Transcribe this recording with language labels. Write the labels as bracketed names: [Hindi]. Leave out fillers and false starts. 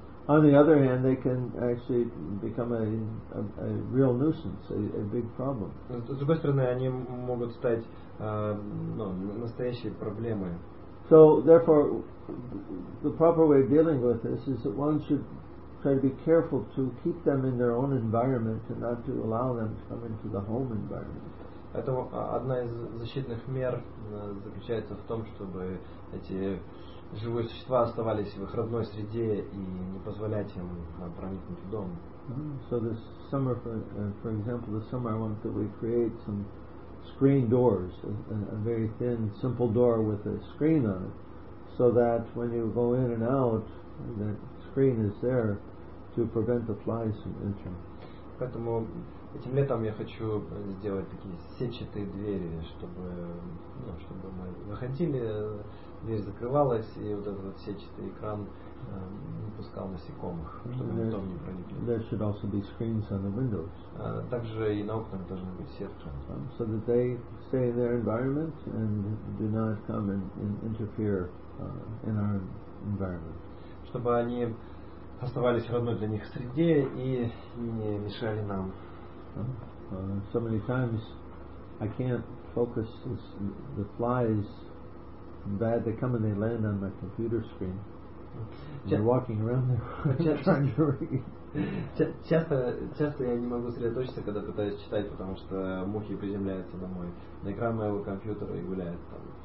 [English] On the other hand, they can actually become a real nuisance, a big problem. [Russian] С другой стороны, они могут стать настоящей проблемой. [English] So, therefore, the proper way of dealing with this is that one should try to be careful to keep them in their own environment and not to allow them to come into the home environment. [Russian] Это одна из защитных мер заключается в том, чтобы эти живые существа оставались в их родной среде и не позволять им проникнуть в дом. [English] So this summer, for example, this summer I want that we create some screen doors, a very thin, simple door with a screen on it, so that when you go in and out, that screen is there to prevent the flies from entering. [Russian] Поэтому этим летом я хочу сделать такие сетчатые двери, чтобы, ну, чтобы мы выходили, дверь закрывалась, и вот этот вот сетчатый экран не пускал насекомых, чтобы никто не проникли. [English] There should also be screens on the windows. [Russian] Также и на окнах должны быть сетки. [English] So that they stay in their environment and do not come and interfere in our environment. [Russian] Чтобы они оставались в родной для них среде и не мешали нам. [English] So many times I can't focus this, the flies bad, they come and they land on my computer screen. They're walking around there. [Russian] Часто я не могу сосредоточиться, когда пытаюсь читать, потому что мухи приземляются на мой, на экран моего компьютера и гуляют там.